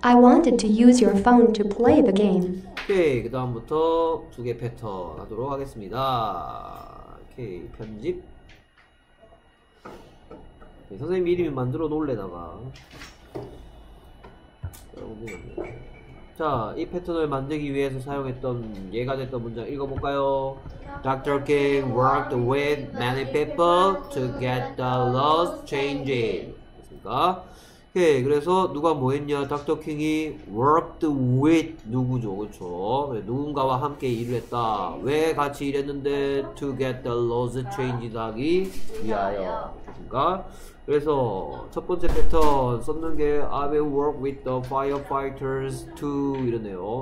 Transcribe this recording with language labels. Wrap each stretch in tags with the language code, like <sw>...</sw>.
<en>I wanted to use your phone to play the game.</en> <ko>오케이, 그 다음부터 두 개 패턴 하도록 하겠습니다. 오케이, 편집. 오케이, 선생님 이름이 만들어 놓으려다가. 자, 이 패턴을 만들기 위해서 사용했던 예가 됐던 문장 읽어볼까요?</ko> <en>Dr. King worked with many people to get the laws changed.</en> <ko>됐습니까? 오케이, 그래서 누가 뭐 했냐? Dr. King이</ko> <en>worked with</en> <ko>누구죠? 그렇죠? 누군가와 함께 일을 했다. 왜 같이 일했는데?</ko> <en>To get the laws changed</en> <ko>하기 위하여. 됐습니까? 그래서 첫 번째 패턴 썼는 게</ko> <en>I will work with the firefighters to</en> <ko>이러네요.</ko>